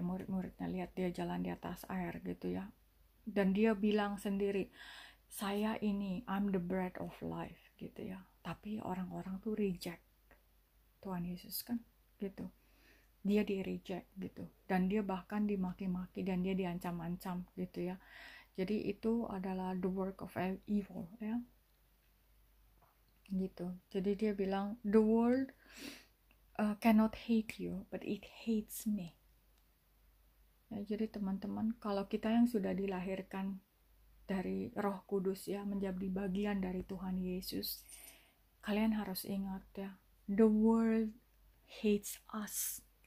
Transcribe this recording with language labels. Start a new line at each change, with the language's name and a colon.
Indonesian: Murid-muridnya lihat dia jalan di atas air gitu ya. Dan dia bilang sendiri, "Saya ini,
English: I'm the bread of life,"
Indonesian: gitu ya. Tapi orang-orang tuh reject Tuhan Yesus kan, gitu. Dia di-reject gitu. Dan dia bahkan dimaki-maki dan dia diancam-ancam gitu ya. Jadi itu adalah
English: the work of evil
Indonesian: ya. Gitu. Jadi dia bilang,
English: "The world cannot hate you, but it hates me."
Indonesian: Ya, jadi teman-teman, kalau kita yang sudah dilahirkan dari Roh Kudus ya, menjadi bagian dari Tuhan Yesus, kalian harus ingat ya,
English: the world hates us.